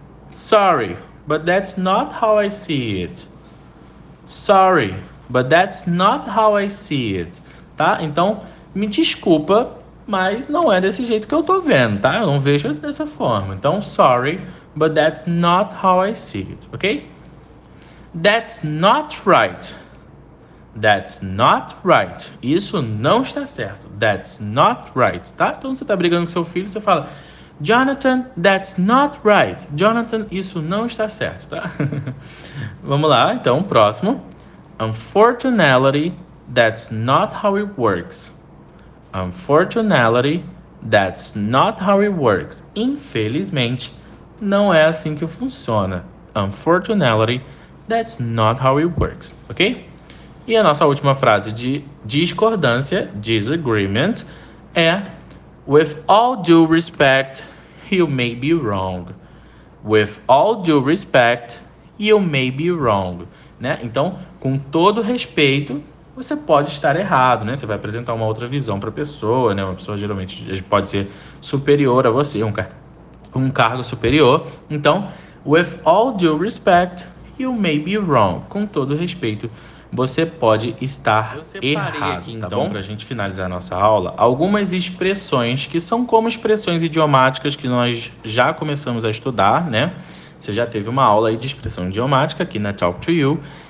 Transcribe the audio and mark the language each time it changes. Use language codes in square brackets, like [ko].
[en] Sorry, but that's not how I see it. Sorry, but that's not how I see it, tá? [pt] Então, me desculpa. Mas não é desse jeito que eu tô vendo, tá? Eu não vejo dessa forma. Então, [en] sorry, but that's not how I see it, ok? That's not right. That's not right. [pt] Isso não está certo. [en] That's not right, [pt] tá? Então, você tá brigando com seu filho, você fala, Jonathan, [en] that's not right. [pt] Jonathan, isso não está certo, tá? Vamos lá, então, próximo. [en] Unfortunately, that's not how it works. Unfortunately, that's not how it works. [pt] Infelizmente, não é assim que funciona. [en] Unfortunately, that's not how it works. Ok? [pt] E a nossa última frase de discordância, [en] disagreement, [pt] é [en] with all due respect, you may be wrong. With all due respect, you may be wrong. [pt] Né? Então, com todo respeito, você pode estar errado, né? Você vai apresentar uma outra visão para a pessoa, né? Uma pessoa geralmente pode ser superior a você, um cargo superior. Então, [en] with all due respect, you may be wrong. [pt] Com todo respeito, você pode estar errado, aqui, então, tá bom? Para a gente finalizar a nossa aula, algumas expressões que são como expressões idiomáticas que nós já começamos a estudar, né? Você já teve uma aula aí de expressão idiomática aqui na Talk to You.